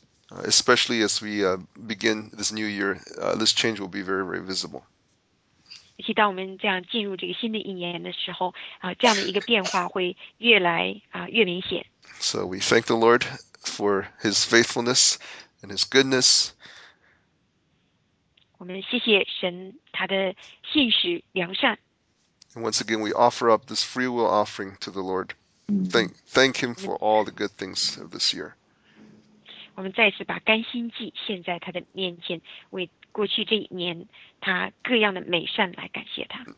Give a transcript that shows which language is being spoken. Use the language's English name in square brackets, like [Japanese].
[English] Especially as we begin this new year, this change will be very, very visible. [Chinese] 而且当我们这样进入这个新的一年的时候，这样的一个变化会越来越明显。 [English] So we thank the Lord for His faithfulness and His goodness. [Chinese] 我们谢谢神他的信实良善。 [English] And once again, we offer up this free will offering to the Lord. Thank him for all the good things of this year. [Chinese] 我们再次把甘心祭献在他的面前，为过去这一年他各样的美善来感谢他。